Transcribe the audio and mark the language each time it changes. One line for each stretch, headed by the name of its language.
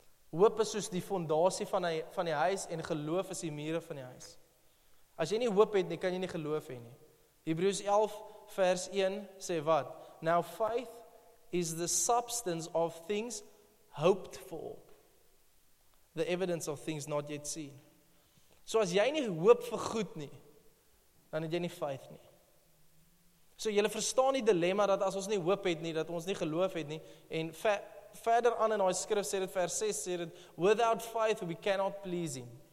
Afrikaans: Hoop is soos die fondasie van die huis en geloof is die mure van die huis. As jy nie hoop het nie, kan jy nie geloof hê nie. Hebreërs 11 vers 1 sê wat?
English: Now faith is the substance of things hoped for. The evidence of things not yet seen.
Afrikaans: So as jy nie hoop vir goed nie, dan het jy nie faith nie. So jy verstaan die dilemma dat as ons nie hoop het nie, dat ons nie geloof het nie. En verder aan in daai skrif sê dit vers 6 sê dit,
English: without faith we cannot please him.